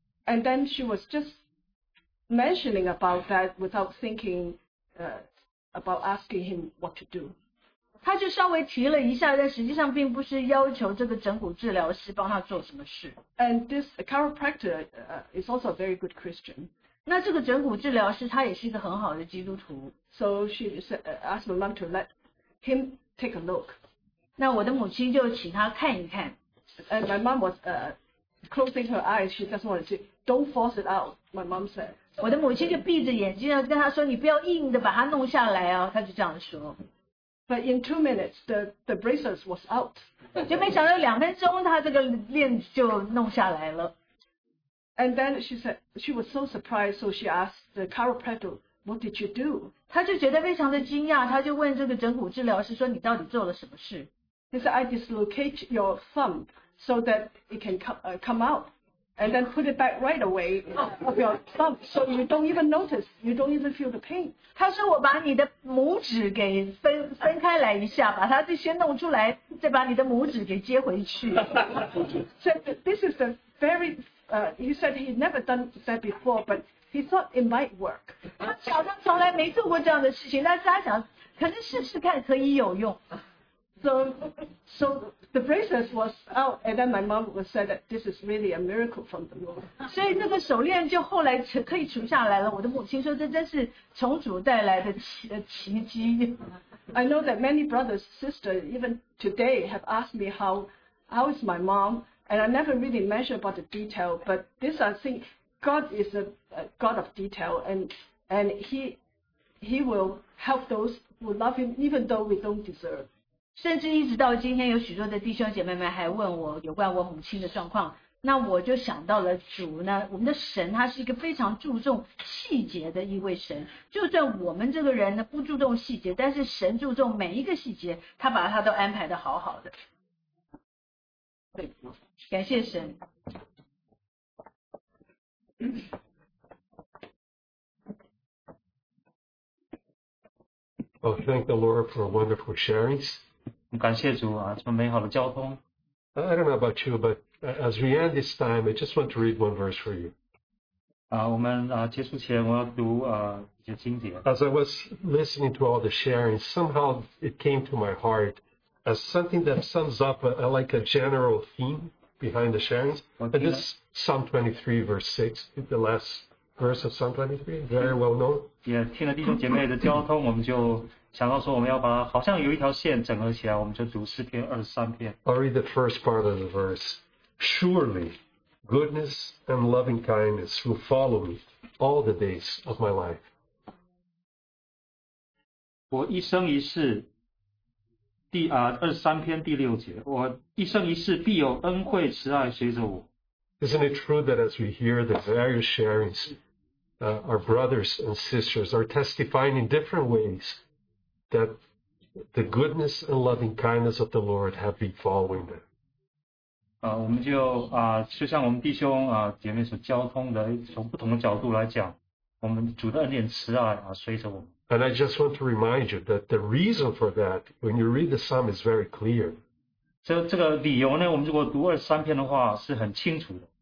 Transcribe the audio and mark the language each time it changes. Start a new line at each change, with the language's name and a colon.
English: and then she was just mentioning about that without thinking about asking him what to do.
Chinese: 她就稍微提了一下，但实际上并不是要求这个整骨治疗师帮她做什么事。
English: And this chiropractor is also a very good Christian.
Chinese: 那这个整骨治疗师他也是一个很好的基督徒。
English: So she asked my mom to let him take a look.
Chinese: 那我的母亲就请他看一看。
English: And my mom was closing her eyes. She just wanted to say, "Don't force it out." My mom said.
Chinese: 我的母亲就闭着眼睛，跟他说：“你不要硬的把它弄下来哦。”他就这样说。
English: But in 2 minutes, the bracelet was out.
Chinese: 就没想到2分钟，他这个链子就弄下来了。
English: And then she said she was so surprised, so she asked the chiropractor, What did you do?
Chinese: 他就觉得非常的惊讶，他就问这个整骨治疗师说：“你到底做了什么事？”
English: He said, "I dislocate your thumb so that it can come out, and then put it back right away of your thumb, so you don't even notice, you don't even feel the pain."
Chinese: 他说：“我把你的拇指给分开来一下，把它这些弄出来，再把你的拇指给接回去。”
English: So this is the very, he said he'd never done that before, but. He thought it might work.
Chinese: 他好像从来没做过这样的事情，但是他想，可能试试看可以有用。
English: So the bracelet was out, and then my mom was said that this is really a miracle from the Lord.
Chinese: 所以那个手链就后来可以除下来了。我的母亲说，这真是从主带来的奇迹。
English: I know that many brothers, sisters, even today have asked me how is my mom, and I never really mentioned about the detail, but this I think. God is a God of detail, and he will help those who love him, even though we don't deserve.
Chinese: 甚至一直到今天，有许多的弟兄姐妹们还问我有关我母亲的状况。那我就想到了主呢，我们的神他是一个非常注重细节的一位神。就算我们这个人呢不注重细节，但是神注重每一个细节，他把他都安排得好好的。对，感谢神。
English: Oh, thank the Lord for wonderful sharings.
Chinese: 感谢主啊，这么美好的交通。
English: I don't know about you, but as we end this time, I just want to read one verse for you.
Chinese: 我们结束前我要读一些经节。
English: As I was listening to all the sharings, somehow it came to my heart as something that sums up like a general theme. Behind the sharings, and this Psalm 23, verse 6, the last verse of Psalm 23, very well known. Yeah,
Chinese: 听了弟兄姐妹的交通，我们就想到说，我们要把好像有一条线整合起来，我们就读诗篇二十三篇。
English: I'll read the first part of the verse. Surely, goodness and loving kindness will follow me all the days of my life.
Chinese: 我一生一世。
English: Isn't it true that as we hear the various sharings, our brothers and sisters are testifying in different ways that the goodness and loving kindness of the Lord have been following them?
Chinese: 我们就像我们弟兄姐妹所交通的，从不同的角度来讲，我们主的恩典慈爱随着我们。
English: And I just want to remind you that the reason for that, when you read the psalm, is very clear.
Chinese: 这个理由呢，我们如果读二十三篇的话，是很清楚的。